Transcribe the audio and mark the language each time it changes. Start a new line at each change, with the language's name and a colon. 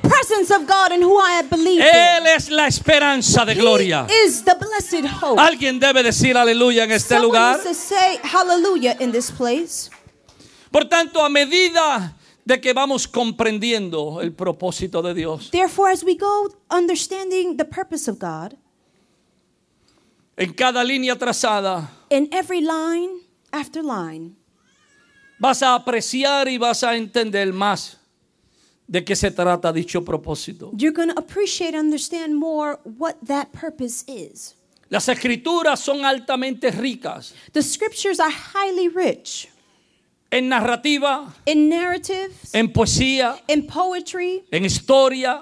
English: Of God and who I have believed.
Spanish: Él es la esperanza de
English: he
Spanish: gloria.
English: Is the blessed hope.
Spanish: Alguien debe decir aleluya en este
English: someone
Spanish: lugar.
English: Needs to say hallelujah in this place.
Spanish: Por tanto, a medida de que vamos comprendiendo el propósito de Dios.
English: Therefore, as we go understanding the purpose of God.
Spanish: En cada línea trazada.
English: In every line after line.
Spanish: Vas a apreciar y vas a entender más. ¿De qué se trata dicho propósito?
English: You're going to appreciate and understand more what that purpose is.
Spanish: Las escrituras son altamente ricas.
English: The scriptures are highly rich.
Spanish: En narrativa.
English: In narratives.
Spanish: En poesía.
English: In poetry.
Spanish: En historia.